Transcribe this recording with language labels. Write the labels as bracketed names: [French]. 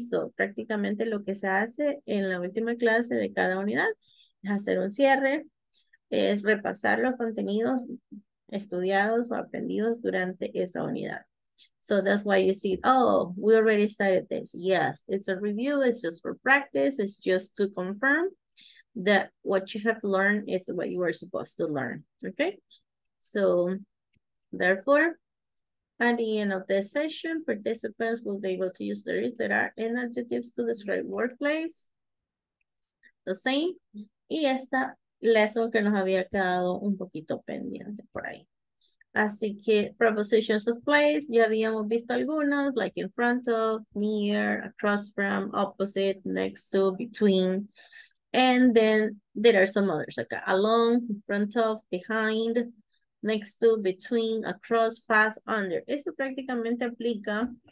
[Spanish] So, prácticamente lo que se hace en la última clase de cada unidad es hacer un cierre, es repasar los contenidos estudiados o aprendidos durante esa unidad. [English] So that's why you see, oh, we already started this. Yes, it's a review. It's just for practice. It's just to confirm that what you have learned is what you are supposed to learn. Okay? So therefore, at the end of this session, participants will be able to use the is, there are, and adjectives to describe workplace. The same. [Spanish] Y esta lesson que nos había quedado un poquito pendiente por ahí. Así que [English] prepositions of place, [Spanish] ya habíamos visto algunos, [English] like in front of, near, across from, opposite, next to, between. And then there are some others, like along, in front of, behind, next to, between, across, past, under. [Spanish] Eso prácticamente aplica